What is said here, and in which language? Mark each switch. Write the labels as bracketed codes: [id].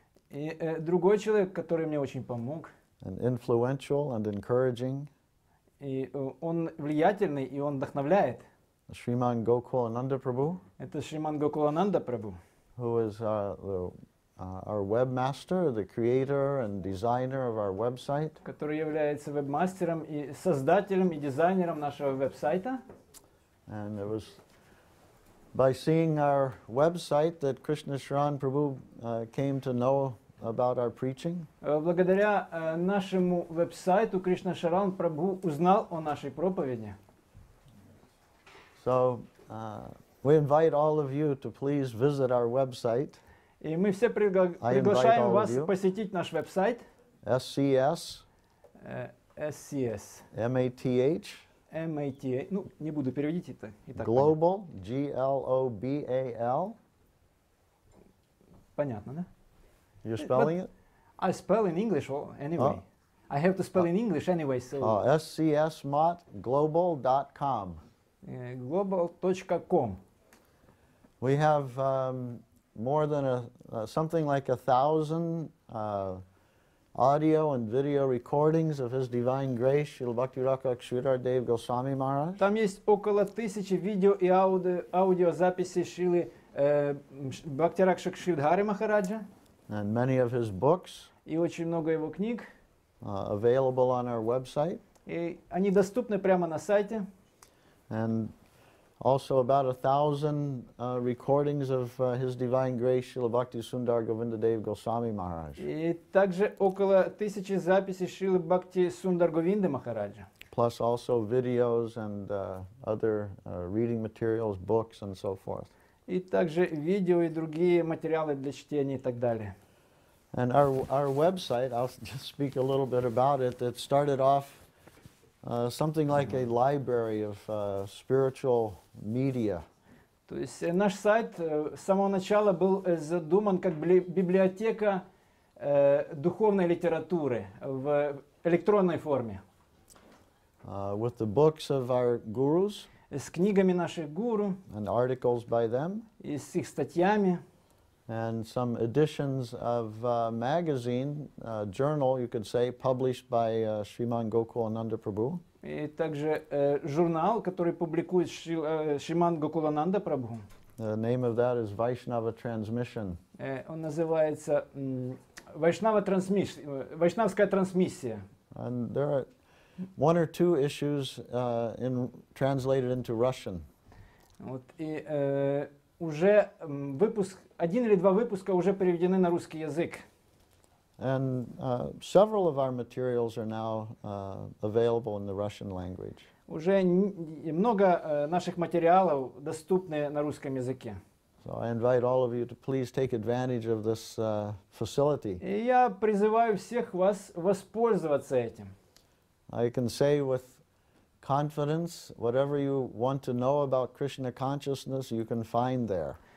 [ru] И другой человек, который мне очень помог. [en] And influential and encouraging. [ru] И он влиятельный, и он вдохновляет. Шриман Гокулананда Прабху. Это Шриман Гокулананда Прабху. [en] Who is our webmaster, the creator and designer of our website, [ru] который является вебмастером и создателем и дизайнером нашего веб-сайта. [en] And it was by seeing our website that Krishna Sharan Prabhu came to know about our preaching. [ru] Благодаря нашему веб-сайту Кришна Шаран Прабху узнал о нашей проповеди. [en] So we invite all of you to please visit our website. [ru] И мы все приглашаем вас посетить наш веб-сайт. [en] SCS. SCS. MATH. MATH. [ru] Ну, не буду переводить это. Итак, [en] Global. [ru] Понятно. [en] GLOBAL. [ru] Понятно, да? [en] You're spelling it? I spell in English anyway. Oh. I have to spell in English anyway. So. SCSMOTGlobal.com. Global.com. We have more than something like 1,000 audio and video recordings of His Divine Grace, Srila Bhakti Raka Kshudar Dev Goswami Maharaj. [ru] Там есть около 1,000 видео и аудиозаписи Шрилы Бхакти Ракша Кшридхари Махараджа. [en] And many of his books. [ru] И очень много его книг. [en] Available on our website. [ru] И они доступны прямо на сайте. [en] And also about 1,000 recordings of His Divine Grace, Srila Bhakti Sundar Govinda Dev Goswami Maharaj. [ru] И также около 1,000 записей Шрилы Бхакти Сундар Говинды Махараджа. [en] Plus also videos and other reading materials, books and so forth. [ru] И также видео и другие материалы для чтения и так далее. [en] And our website, I'll just speak a little bit about it, it started off something like a library of spiritual media. [ru] То есть наш сайт с самого начала был задуман как библиотека духовной литературы в электронной форме. [en] With the books of our gurus. [ru] С книгами наших гуру. [en] And articles by them. [ru] И с их статьями. [en] and some editions of magazine, journal, you could say, published by Sriman Gokulananda Prabhu. [ru] И также журнал, который публикует Шриман Гокулананда Прабху. [en] The name of that is Vaishnava Transmission. [ru] Он называется Вайшнавская трансмиссия. [en] And there are one or two issues translated into Russian. [ru] Вот и уже выпуск, один или два выпуска уже переведены на русский язык. [en] And several of our materials are now available in the Russian language. [ru] Уже много наших материалов доступны на русском языке. [en] So I invite all of you to please take advantage of this facility. [ru] И я призываю всех вас воспользоваться этим. [en] I can say with confidence, whatever you want to know about Krishna consciousness, you can find there.